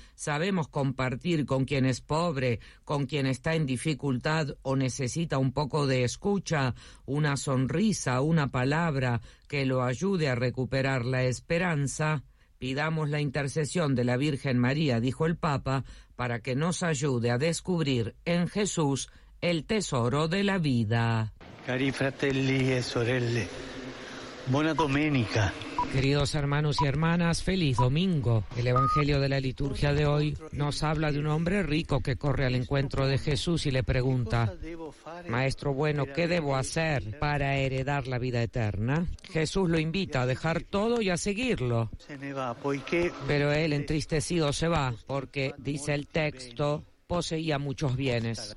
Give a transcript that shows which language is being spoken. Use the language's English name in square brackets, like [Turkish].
[Spanish] ¿Sabemos compartir con quien es pobre, con quien está en dificultad o necesita un poco de escucha, una sonrisa, una palabra que lo ayude a recuperar la esperanza? Pidamos la intercesión de la Virgen María, dijo el Papa, para que nos ayude a descubrir en Jesús el tesoro de la vida. [Italian] Cari fratelli e sorelle, buona domenica. [Spanish] Queridos hermanos y hermanas, feliz domingo. El Evangelio de la liturgia de hoy nos habla de un hombre rico que corre al encuentro de Jesús y le pregunta: Maestro bueno, ¿qué debo hacer para heredar la vida eterna? Jesús lo invita a dejar todo y a seguirlo. Pero él, entristecido, se va, porque, dice el texto, poseía muchos bienes.